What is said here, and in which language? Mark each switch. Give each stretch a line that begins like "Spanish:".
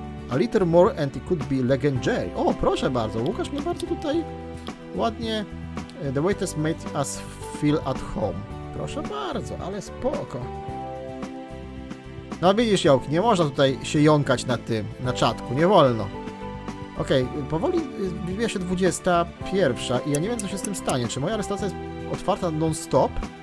English: A little more and it could be legendary.
Polish: O, proszę bardzo, Łukasz mnie bardzo tutaj ładnie.
English: The waiters made us feel at home.
Polish: Proszę bardzo, ale spoko. No widzisz, Jołk, nie można tutaj się jąkać na tym, na czatku, nie wolno. Okej, okay, powoli zbliża się 21 i ja nie wiem, co się z tym stanie. Czy moja restauracja jest otwarta non-stop?